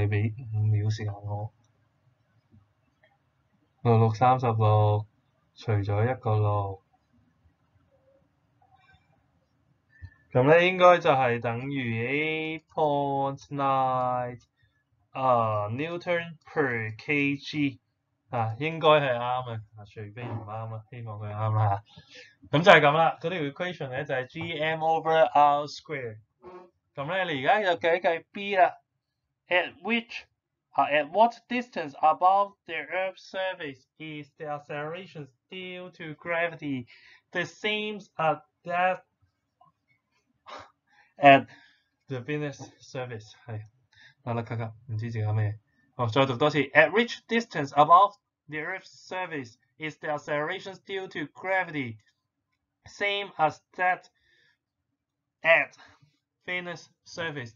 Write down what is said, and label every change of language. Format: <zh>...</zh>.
<yue>你俾5秒時間我，6636除咗1個6，咁咧應該就係等於 8.9</yue> <en>newton per kg。</en> <yue>啊，應該係啱嘅，除非唔啱啊，希望佢啱啦。咁就係咁啦，嗰條 equation 咧就係</yue> <en>gm over r square。</en> <yue>咁咧，你而家就計一計 B 啦。</yue> <en>At what distance above the Earth's surface is the acceleration due to gravity the same as that at the Venus surface？</en> <yue>係，啦啦咔咔，唔知自己咩。好，再讀多次。</yue> <en>At which distance above the Earth's surface is the acceleration due to gravity same as that at Venus surface？</en>